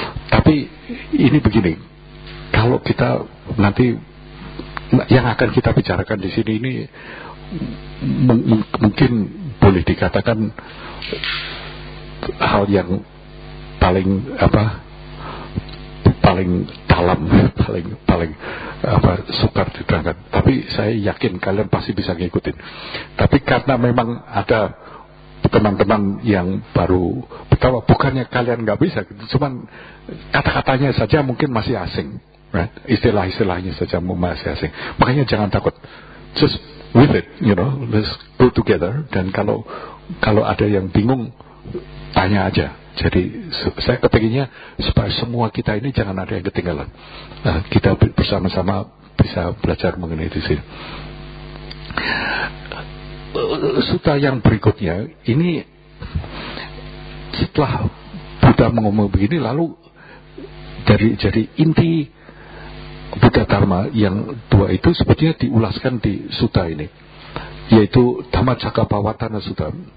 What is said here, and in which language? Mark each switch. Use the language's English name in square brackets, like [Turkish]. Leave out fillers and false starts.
[Indonesian] Tapi ini begini, kalau kita nanti yang akan kita bicarakan di sini ini mungkin boleh dikatakan hal yang paling apa, paling dalam, paling apa, sukar diterangkan. Tapi saya yakin kalian pasti bisa ngikutin. Tapi karena memang ada teman-teman yang baru, betapa bukannya kalian nggak bisa, cuman kata-katanya saja mungkin masih asing, [English] right? [Indonesian] Istilah-istilahnya saja masih asing. Makanya jangan takut, [English] just with it, you know, let's go together. [Indonesian] Dan kalau ada yang bingung, tanya aja. Jadi saya kepinginnya supaya semua kita ini jangan ada yang ketinggalan. Nah, kita bersama-sama bisa belajar mengenai itu sih. Sutta yang berikutnya ini, setelah Buddha mengomong begini, lalu dari inti Buddha Dharma yang dua itu sebetulnya diulaskan di sutta ini, yaitu Dhammacakkappavattana Sutta.